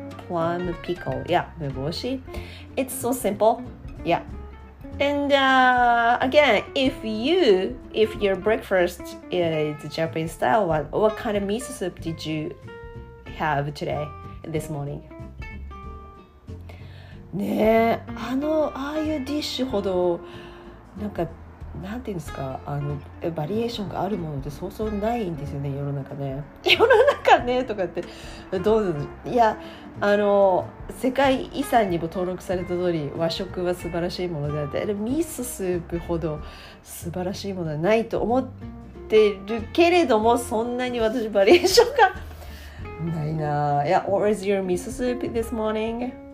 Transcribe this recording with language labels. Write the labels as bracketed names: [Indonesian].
[English] Yeah, umeboshi. It's so simple. Yeah. And again, if your breakfast is Japanese style one, what kind of miso soup did you have today, this morning? [Japanese] ね、ああいうディッシュほどなんかなんていうんですか、あのバリエーションがあるものってそうそうないんですよね、世の中ね。世の中ねとかってどうぞ。いや、あの世界遺産にも登録された通り和食は素晴らしいものであって、ミススープほど素晴らしいものはないと思ってるけれども、そんなに私バリエーションがないな。 [English] いや、 What was your miso soup this morning?